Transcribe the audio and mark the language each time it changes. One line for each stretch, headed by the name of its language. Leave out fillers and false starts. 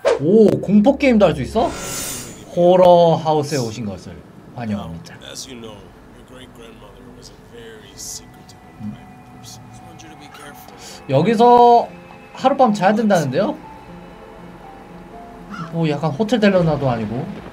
Korean: 오, 공포 게임도 할 수 있어? 호러 하우스에 오신 것을 환영합니다.
English: As you know, your great-grandmother was a very secretive and private person. So I want you to be careful.
Korean: 여기서 하룻밤 자야 된다는데요? 뭐 약간 호텔 델러나도 아니고.